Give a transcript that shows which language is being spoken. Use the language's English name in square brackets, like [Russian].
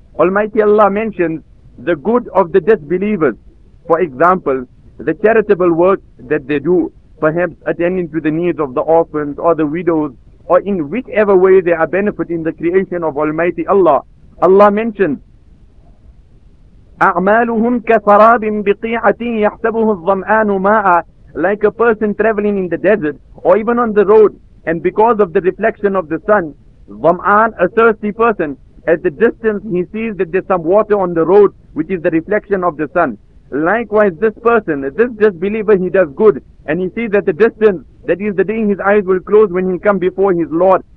[English] Almighty Allah mentions the good of the disbelievers. For example, the charitable work that they do, perhaps attending to the needs of the orphans or the widows, or in whichever way they are benefiting the creation of Almighty Allah. Allah mentions, [Arabic] أَعْمَالُهُمْ كَسَرَابٍ بِقِيعَةٍ يَحْسَبُهُ الظَّمْآنُ مَاءً. [English] Like a person traveling in the desert, or even on the road, and because of the reflection of the sun, ظَمْآنُ, a thirsty person, at the distance he sees that there's some water on the road, which is the reflection of the sun. Likewise, this person, this disbeliever, he does good, and he sees at the distance, that is the day his eyes will close when he come before his Lord.